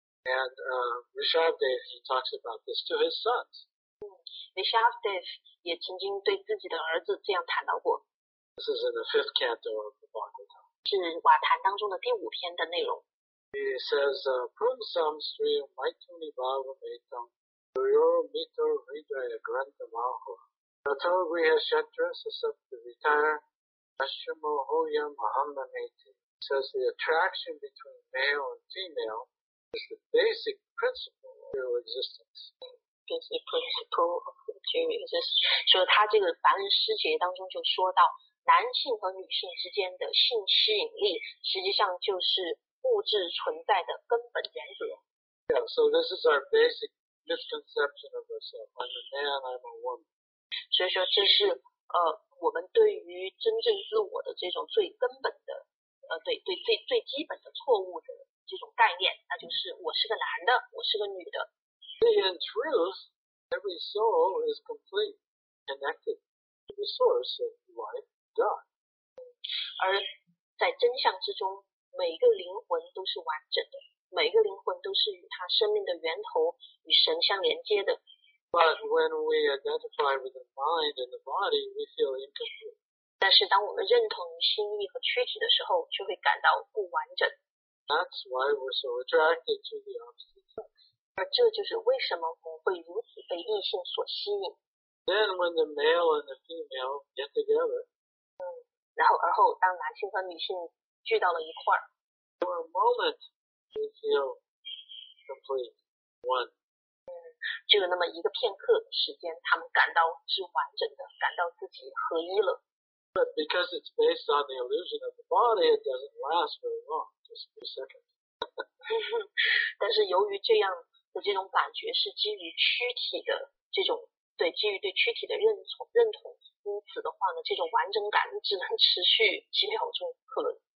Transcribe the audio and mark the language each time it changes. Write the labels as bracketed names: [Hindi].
[English] And Rishabh Dev, he talks about this to his sons. [Chinese] Rishabh Dev 也曾经对自己的儿子这样谈到过。 [English] This is in the fifth canto of the Bhagavatam. [Chinese] 是瓦坛当中的第五篇的内容。 [Sanskrit] He says, Prum sam sri maituni bhavametam duryor mitor vidraya grantam aho tato griha shatra sasapta vitara ashramo hoyam ahamnameti. [English] He says the attraction between male and female is the basic principle of material existence. [Chinese] 所以他这个凡人师节当中就说到，男性和女性之间的性吸引力实际上就是物质存在的根本原则。 [English] Yeah, so this is our basic misconception of ourselves. I'm a man, I'm a woman. [Chinese] 所以说这是我们对于真正自我的这种最根本的最基本的错误的这种概念，那就是我是个男的，我是个女的。 [English] In truth, every soul is complete, connected to the source of life, God. [Chinese] 而在真相之中，每个灵魂都是完整的，每个灵魂都是与他生命的源头与神相连接的。 [English] But when we identify with the mind and the body, we feel incomplete. [Chinese] 但是当我们认同于心意和躯体的时候，却会感到不完整。 [English] That's why we're so attracted to the opposite sex. [Chinese] 而这就是为什么我会如此被异性所吸引。 [English] Then when the male and the female get together, [Chinese] 然后当男性和女性聚到了一块 [English] 儿。For a moment, we feel complete, one. [Chinese] 只有那么一个片刻时间，他们感到是完整的，感到自己合一了。 [English] But because it's based on the illusion of the body, it doesn't last very long, just a few seconds. [Chinese] 但是由于这样这种感觉是基于躯体的这种对基于对躯体的认同，因此的话呢，这种完整感只能持续几秒钟，可能。